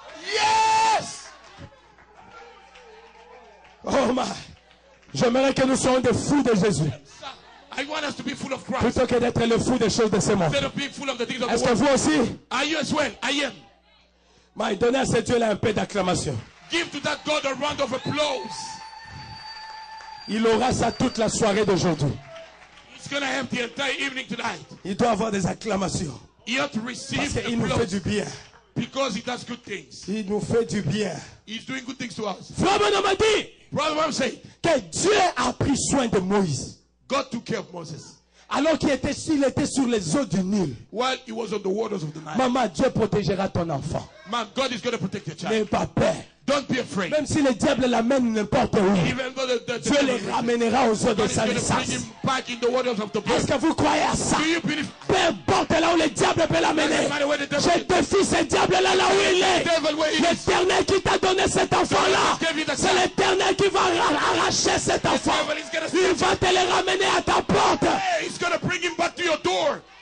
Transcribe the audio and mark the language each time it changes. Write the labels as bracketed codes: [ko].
[en] Yes! Oh my! [fr] J'aimerais que nous soyons des fous de Jésus. [en] I want us to be full of Christ. [fr] Plutôt que d'être le fou des choses de ce monde. Est-ce que vous aussi? [en] Are you as well? I am. [fr] My, donnez à ce Dieu-là un peu d'acclamation. [en] Give to that God a round of applause. [fr] Il aura ça toute la soirée d'aujourd'hui. [en] He's gonna have the entire evening tonight. [fr] Il doit avoir des acclamations. [en] He ought to receive [fr] parce qu'il nous fait du bien. [en] Because he does good things. [fr] Il nous fait du bien. [en] He's doing good things to us. [fr] Frère Benoît m'a dit. [en] Brother Benoît [fr] m'a dit. Que Dieu a pris soin de Moïse. [en] God took care of Moses. [fr] Alors qu'il était sur les eaux du Nil. [en] While he was on the waters of the Nile. [fr] Maman, Dieu protégera ton enfant. [en] Man, God is going to protect your child. [fr] N'aie pas peur. [en] Don't be afraid. [fr] Même si le diable l'amène n'importe où. [en] Even though the [fr] Dieu les ramènera aux eaux de sa naissance. [en] Back in the waters of the birth. [fr] Est-ce que vous croyez à ça? [en] Do you believe? [fr] Peu importe là où le diable peut l'amener. Je défie ce diable là où il est. L'Éternel qui t'a donné cet enfant là. C'est l'Éternel qui va arracher cet enfant. Il va te le ramener à ta porte. [en] Hey, he's gonna bring him back to your door.